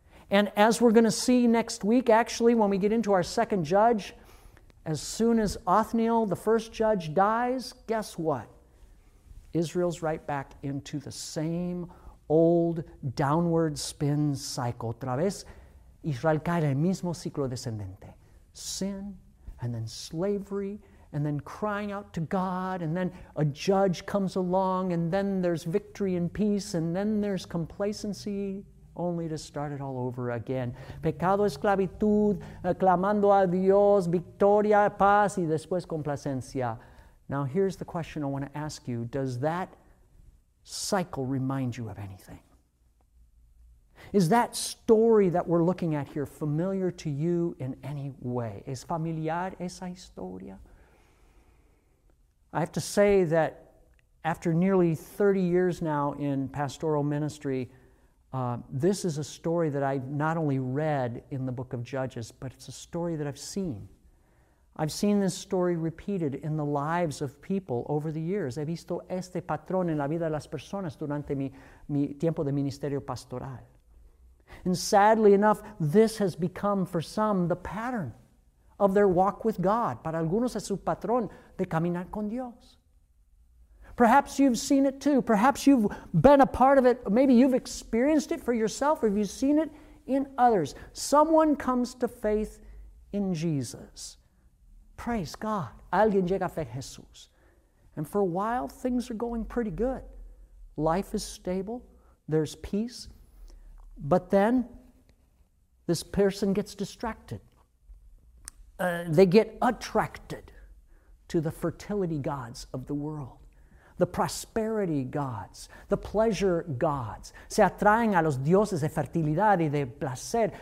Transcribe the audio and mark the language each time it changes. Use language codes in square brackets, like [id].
[en] And as we're going to see next week, actually, when we get into our second judge, as soon as Othniel, the first judge, dies, guess what? Israel's right back into the same old downward spin cycle. [es] Otra vez, Israel cae en el mismo ciclo descendente. [en] Sin, and then slavery, and then crying out to God, and then a judge comes along, and then there's victory and peace, and then there's complacency, only to start it all over again. [es] Pecado, esclavitud, clamando a Dios, victoria, paz, y después complacencia. [en] Now here's the question I want to ask you. Does that cycle remind you of anything? Is that story that we're looking at here familiar to you in any way? [es] ¿Es familiar esa historia? [en] I have to say that after nearly 30 years now in pastoral ministry, this is a story that I've not only read in the book of Judges, but it's a story that I've seen. I've seen this story repeated in the lives of people over the years. [es] He visto este patrón en la vida de las personas durante mi tiempo de ministerio pastoral. [en] And sadly enough, this has become for some the pattern of their walk with God. [es] Para algunos es su patrón de caminar con Dios. [en] Perhaps you've seen it too. Perhaps you've been a part of it. Maybe you've experienced it for yourself, or you've seen it in others. Someone comes to faith in Jesus. Praise God. [es] Alguien llega a fe en Jesús. [en] And for a while, things are going pretty good. Life is stable. There's peace. But then, this person gets distracted. They get attracted to the fertility gods of the world. the prosperity gods, the pleasure gods. [es] Se atraen a los dioses de fertilidad y de placer.